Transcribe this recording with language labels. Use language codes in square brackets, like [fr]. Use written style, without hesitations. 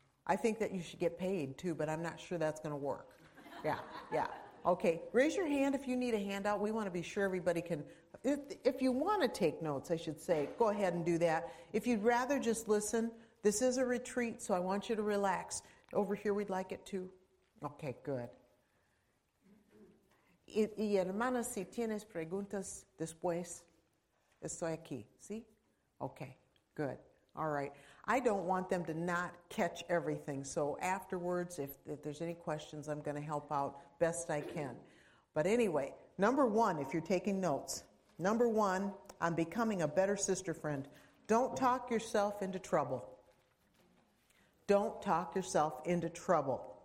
[en] I think that you should get paid, too, but I'm not sure that's going to work. Yeah. Okay, raise your hand if you need a handout. We want to be sure everybody can. If you want to take notes, I should say, go ahead and do that. If you'd rather just listen, this is a retreat, so I want you to relax. Over here, we'd like it, too. Okay, good. [es] Y hermanas, si tienes preguntas después, estoy aquí. [en] ¿Sí? Okay, good. All right. I don't want them to not catch everything. So afterwards, if there's any questions, I'm going to help out best I can. But anyway, number one, if you're taking notes, number one, I'm becoming a better sister friend. Don't talk yourself into trouble. Don't talk yourself into trouble.